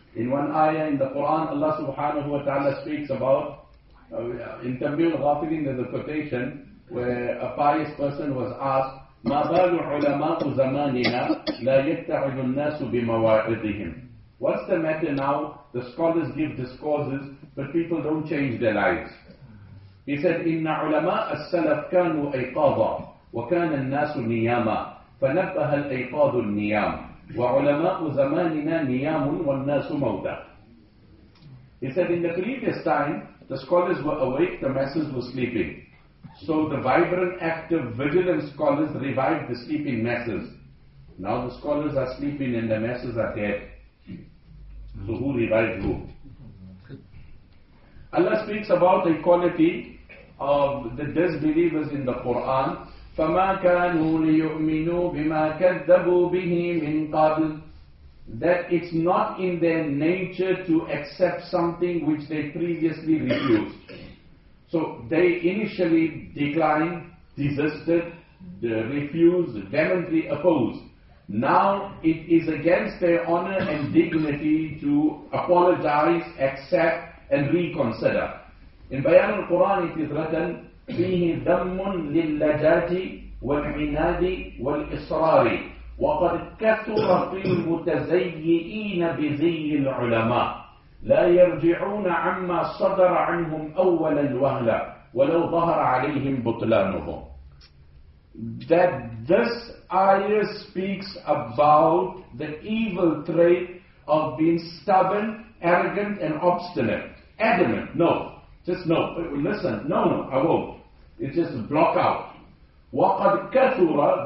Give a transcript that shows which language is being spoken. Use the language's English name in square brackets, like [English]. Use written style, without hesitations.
[English] In one ayah in the Quran, Allah subhanahu wa ta'ala speaks about, in Tanbih al-Ghafirin, there's a quotation where a pious person was asked, [Arabic] ما بال علماء زماننا لا يتعظ الناس بمواعظهم. [English] What's the matter now? The scholars give discourses, but people don't change their lives. He said, [Arabic] إن علماء السلف كانوا أيقاظا وكان الناس نياما فنبه الأيقاظ النيام وعلماء زماننا نيام والناس موتى. [English] He said, in the previous time, the scholars were awake, the masses were sleeping. So the vibrant, active, vigilant scholars revived the sleeping masses. Now the scholars are sleeping and the masses are dead. So who revived who? Allah speaks about the quality of the disbelievers in the Quran. [Arabic] فَمَا كَانُوا لِيُؤْمِنُوا بِمَا كَذَّبُوا بِهِ مِنْ قَبْلِ. [English] That it's not in their nature to accept something which they previously refused. So they initially declined, desisted, refused, vehemently opposed. Now it is against their honor and dignity to apologize, accept and reconsider. In Bayan al-Quran it is written, [Arabic] فِيهِ ذَمٌ لِلَّجَاجِ وَالْعِنَادِ وَالْإِصْرَارِ وَقَدْ كَثُرَ فِي الْمُتَزَيِّئِينَ بِزِيِّ الْعُلَمَاءِ لا يرجعون عما صدر عنهم أولا الوهلة ولو ظهر عليهم بطلانهم. [English] That this ayah speaks about the evil trait of being stubborn, arrogant and obstinate. Adamant. No. Just no. Listen. No, no. I won't. It's just block out. [Arabic] وَقَدْ كَثُرَ.